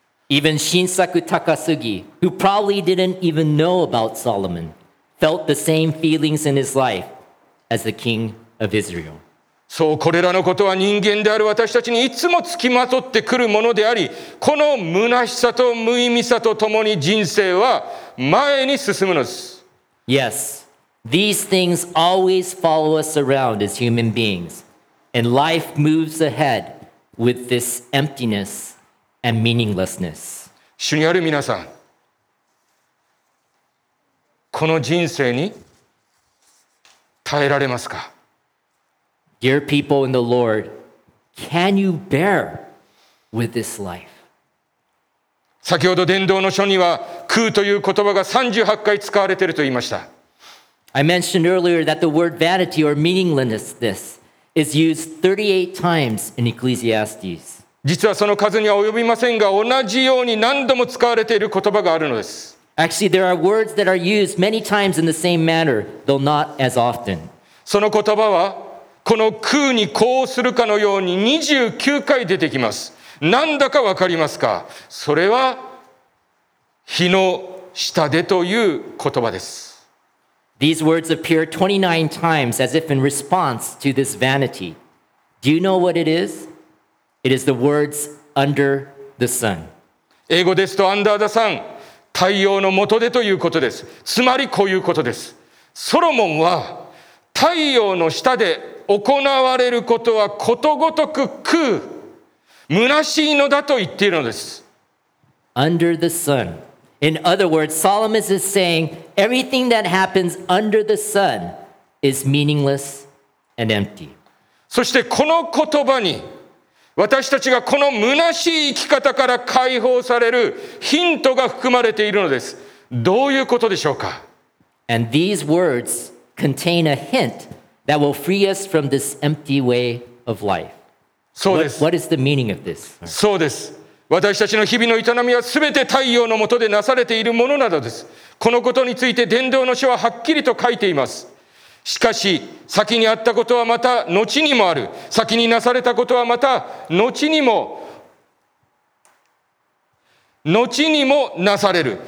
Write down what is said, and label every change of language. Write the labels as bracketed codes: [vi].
[en] Even 新作高すぎ who probably didn't even know about Solomon, felt the same feelings in his life as the king of Israel. [ja] そう、これらのことは人間である私たちにいつもつきまとってくるものであり、この虚しさと無意味さとともに人生は前に進むのです。 [en] Yes, these things always follow us around as human beings, and life moves ahead with this emptiness and meaninglessness. [ja] 主にある皆さん、この人生に耐えられますか? [en] Dear people in the Lord, can you bear with this life? [ja] 先ほど伝道の書には空という言葉が38回使われていると言いました。 [en] I mentioned earlier that the word vanity or meaninglessness is used 38 times in Ecclesiastes. [ja] 実はその数には及びませんが、同じように何度も使われている言葉があるのです。 [en] Actually, there are words that are used many times in the same manner, though not as often. [ja] その言葉はこの空にこうするかのように29回出てきます。なんだかわかりますか?それは火の下でという言葉です。 [en] These words appear 29 times as if in response to this vanity. Do you know what it is? It is the words under the sun. [ja] 英語ですと [en] under the sun、 [ja] 太陽の下でということです。つまりこういうことです。ソロモンは太陽の下で行われることはことごとく空、虚しいのだと言っているのです。 [en] Under the sun. In other words, Solomon is saying everything that happens under the sun is meaningless and empty. [ja] そしてこの言葉に私たちがこの虚しい生き方から解放されるヒントが含まれているのです。どういうことでしょうか? [en] And these words contain a hint that will free us from this empty way of life. [ja] そうです。 [en] What is the meaning of this? [ja] そうです。私たちの日々の営みはすべて太陽の下でなされているものなどです。このことについて伝道の書ははっきりと書いています。しかし先にあったことはまた後にもある。先になされたことはまた後にもなされる。